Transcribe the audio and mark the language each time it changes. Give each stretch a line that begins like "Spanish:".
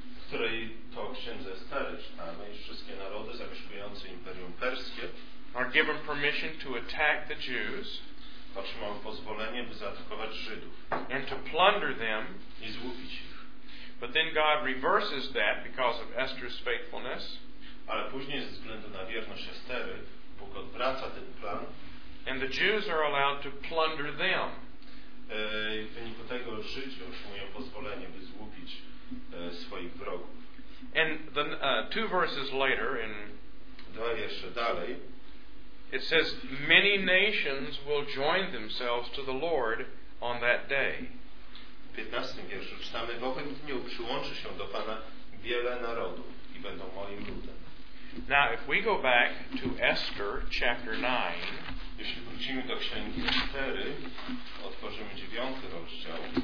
Polish: które to księdze Estery czytamy, i wszystkie narody zamieszkujące Imperium Perskie,
English: are given permission to attack the Jews,
Polish: otrzymały pozwolenie, by zaatakować Żydów,
English: and to plunder them,
Polish: i złupić ich.
English: But then God reverses that because of Esther's faithfulness,
Polish: ale później ze względu na wierność Estery Bóg odwraca ten plan.
English: And the Jews are allowed to plunder them.
Polish: W wyniku tego Żydzi otrzymują pozwolenie, by złupić swoich wrogów.
English: And the two verses later in
Polish: dwa wiersze dalej,
English: it says many nations will join themselves to the Lord on that day.
Polish: W 15 wierszu czytamy, w owym dniu przyłączy się do Pana wiele narodów i będą moim ludem.
English: Now, if we go back to Esther, chapter 9,
Polish: jeśli wrócimy do Księgi Estery, otworzymy 9 rozdział.